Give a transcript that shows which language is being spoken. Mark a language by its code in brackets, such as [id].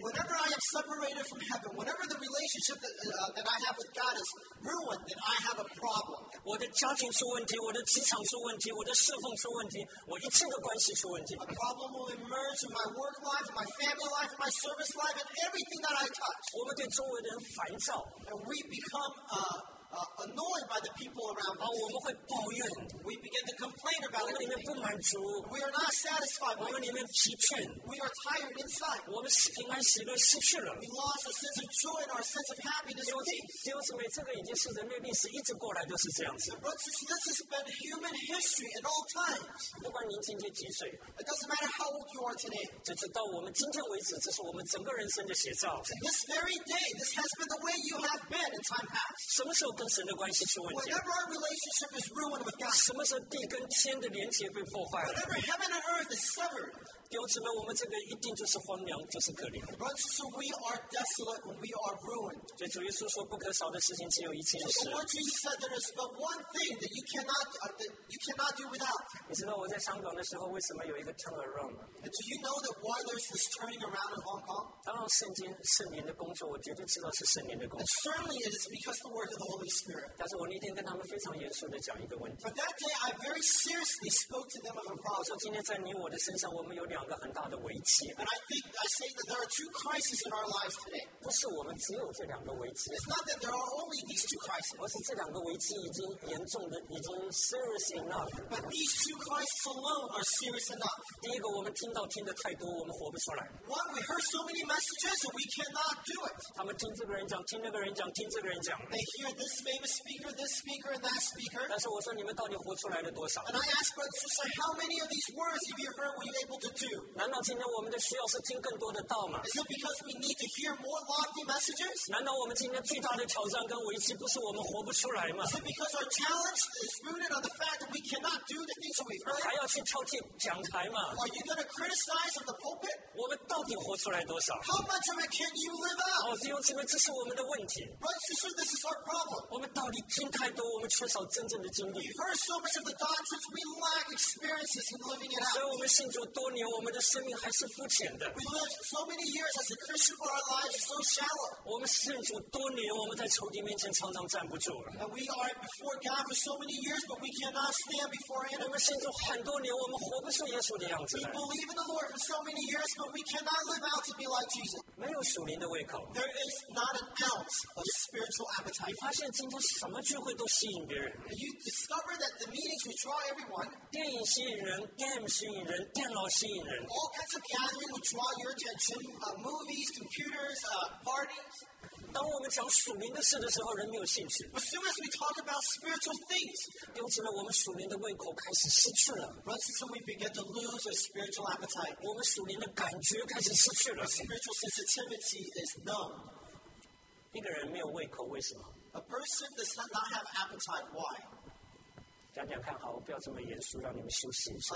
[en] Whenever I am separated from heaven, whenever the relationship that I have with God is ruined, then I have a problem. [zh] 我的家庭出问题，我的职场出问题，我的侍奉出问题，我一切的关系出问题。 [en] A problem will emerge in my work life, my family life, my service life, and everything that I touch. [zh] 我们对周围的人烦躁。 [en] And we become annoyed by the people around us. [zh] 我们会抱怨。 [en] We begin to complain about it. [zh] 我们里面不满足。 [en] We are not satisfied. [zh] 我们里面疲倦。 [en] We are tired inside. [zh] 我们平安喜乐失去了。 [en] We lost a sense of joy and our sense of happiness. [zh] 弟兄姊妹，这个已经是人类历史一直过来都是这样子。 [en] But this has been human history at all times. [zh] 不管您今天几岁。 [en] It doesn't matter how old you are today. [zh] 这直到我们今天为止，这是我们整个人生的写照。 [en] This very day, this has been the way you have been in time past. [zh] 什么时候跟神的关系出问题。 [en] Whenever our relationship is ruined with God. [zh] 什么时候地跟天的连接被破坏了。 [en] Whenever heaven and earth is severed. [zh] 弟兄姊妹，我们这个一定就是荒凉，就是可怜。 [en] Brothers and sisters, we are desolate, we are ruined. [zh] 所以主耶稣说，不可少的事情只有一件事。 [en] So the Lord Jesus said there is but one thing that you cannot, do without. [zh] 你知道我在香港的时候为什么有一个 turnaround 吗？ [en] Do you know that why there's this turning around in Hong Kong? [zh] 当然，圣灵的工作，我绝对知道是圣灵的工作。 [en] And certainly it is because the work of the Holy Spirit. [zh] 但是我那天跟他们非常严肃地讲一个问题。 [en] But that day I very seriously spoke to them of a problem. [zh] 我说今天在你我的身上，我们有两。 [en] And I think I say that there are two crises in our lives today. [zh] 不是我们只有这两个危机。 [en] It's not that there are only these two crises. [zh] 而是这两个危机已经严重的，已经 [en] serious enough. But these two crises alone are serious enough. [zh] 第一个，我们听的太多，我们活不出来。 [en] One, we heard so many messages and we cannot do it. [zh] 他们听这个人讲，听那个人讲，听这个人讲。 [en] They hear this famous speaker, this speaker, and that speaker. [zh] 但是我说，你们到底活出来了多少 [en] ？And I ask brothers, how many of these words have you heard? Were you able to do? [zh] 难道今天我们的需要是听更多的道吗 [en] ？Is it because we need to hear more lofty messages？ [zh] 难道我们今天最大的挑战跟危机不是我们活不出来吗 [en] ？Is it because our challenge is rooted on the fact that we cannot do the things we've heard？ [zh] 还要去挑剔讲台吗 [en] ？Are you going to criticize of the pulpit？ [zh] 我们到底活出来多少 [en] ？How much of it can you live out？ [zh] 哦，弟兄姊妹，这是我们的问题。 [en] But sister, this is our problem。 [zh] 我们到底听太多，我们缺少真正的经历。 [en] We've heard so much of the doctrines, we lack experiences in living it out。 [zh] 所以我们信主多年，我们的生命还是肤浅的。 [en] We lived so many years as a Christian, but our lives are so shallow. [zh] 我们信主多年，我们在仇敌面前常常站不住。 [en] And we are before God for so many years, but we cannot stand before Him. [zh] 我们信主很多年，我们活不出耶稣的样子。 [en] We believe in the Lord for so many years, but we cannot live out to be like Jesus. [zh] 没有属灵的胃口。 [en] There is not an ounce of spiritual appetite. [zh] 你发现今天什么聚会都吸引别人。 [en] You discover that the meetings would draw everyone. [zh] 电影吸引人 ，game 吸引人，电脑吸引人。 [en] All kinds of gathering would draw your attention. Movies, computers, parties. [zh] 当我们讲属灵的事的时候，人没有兴趣。 [en] As soon as we talk about spiritual things, [zh] 因此呢，我们属灵的胃口开始失去了。 [en] But since we begin to lose our spiritual appetite, [zh] 我们属灵的感觉开始失去了。 [en] Spiritual sensitivity is numb. [zh] 一个人没有胃口，为什么 [en] ？A person does not have appetite. Why? [zh] 讲讲看好，我不要这么严肃，让你们休息一下。